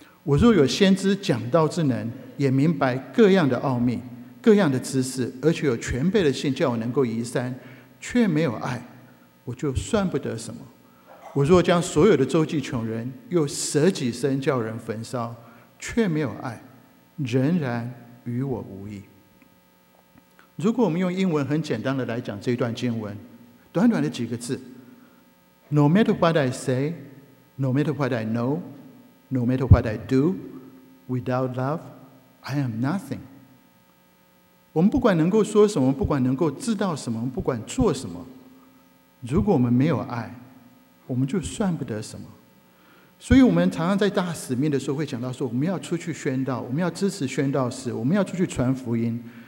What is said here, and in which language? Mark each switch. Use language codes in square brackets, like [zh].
[zh] 我若有先知讲道之能，也明白各样的奥秘各样的知识，而且有全备的信叫我能够移山，却没有爱，我就算不得什么。我若将所有的周济穷人，又舍己身叫人焚烧，却没有爱，仍然与我无益。如果我们用英文很简单的来讲这一段经文，短短的几个字， [en] No matter what I say, No matter what I know, No matter what I do, Without love, I am nothing。 [zh] 我们不管能够说什么，不管能够知道什么，不管做什么，如果我们没有爱，我们就算不得什么。所以我们常常在大使命的时候会讲到说，我们要出去宣道，我们要支持宣道士，我们要出去传福音。